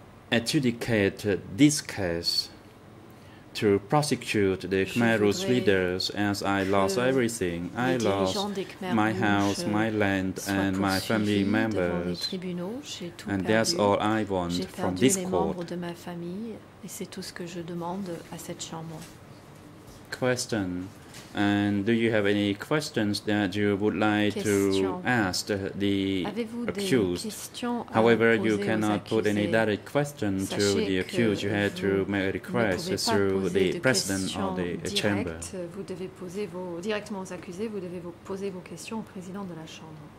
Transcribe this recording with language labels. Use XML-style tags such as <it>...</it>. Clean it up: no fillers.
<en>adjudicate this case to prosecute the Khmer Rouge leaders as I lost everything. I lost my house, my land, and my family members. And that's all I want from this court.</en> <fr>Et c'est tout ce que je demande à cette chambre. Question.</fr> <en>And do you have any questions that you would like to ask the accused? However, you cannot put any direct question to the accused. You had to make a request through the president of the chamber. Vous devez poser vos directement aux accusés, vous devez poser vos questions au président de la chambre.</en>